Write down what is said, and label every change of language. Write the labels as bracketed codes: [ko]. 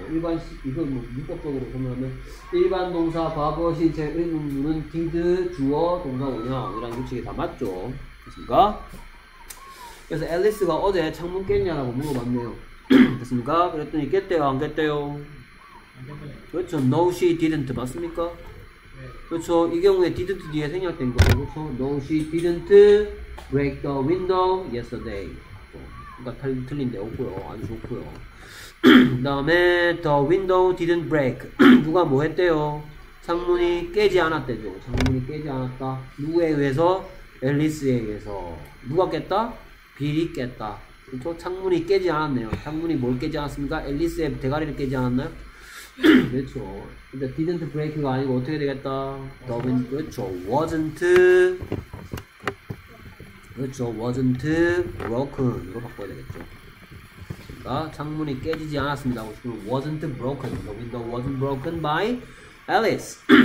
[ko] 일반 시 이건 뭐 문법적으로 설명하면 일반 동사 과거 시제 의문문은 디드 주어 동사 운영이라는 규칙이 다 맞죠. 됐습니까? 그래서 앨리스가 어제 창문 깼냐라고 물어봤네요. 됐습니까? 그랬더니 깼대요 안 깼대요? 그렇죠. [en] No, she didn't. [ko] 맞습니까? 그렇죠. 이 경우에 didn't 뒤에 생략된 거. 그렇죠. [en] No, she didn't break the window yesterday. [ko] 그러니까 틀린데 없고요. 아주 좋고요. 그 다음에 [en] the window didn't break. [ko] 누가 뭐 했대요? 창문이 깨지 않았대죠. 창문이 깨지 않았다. 누구에 의해서? 앨리스에 의해서. 누가 깼다? 빌이 깼다. 그렇죠. 창문이 깨지 않았네요. 창문이 뭘 깨지 않았습니까? 앨리스의 대가리를 깨지 않았나요? 그렇죠. 근데 didn't break가 아니고 어떻게 되겠다? 더빈 그렇죠. wasn't 그렇죠. [en] wasn't broken [ko] 이거 바꿔야 되겠죠. 그러니까 창문이 깨지지 않았습니다. 그러면 [en] wasn't broken. The window wasn't broken by Alice.